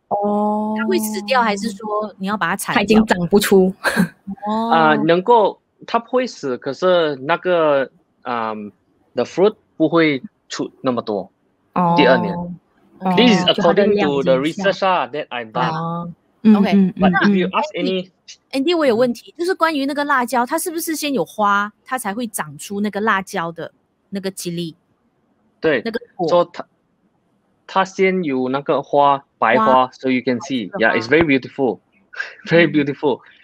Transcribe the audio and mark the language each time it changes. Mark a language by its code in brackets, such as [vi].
[zh] 它会死掉，还是说你要把它它已经长不出？能够它不会死，可是那个 [en] the fruit [zh] 不会出那么多，第二年。 [en] This is according to the research that I done. Okay, but if you ask Andy, [zh] 我有问题，就是关于那个辣椒，它是不是先有花，它才会长出那个辣椒的那个chili？对，那个果。 [en] So [zh] 它先有那个花，白花 [en] ，so you can see, yeah, it's very beautiful, very beautiful.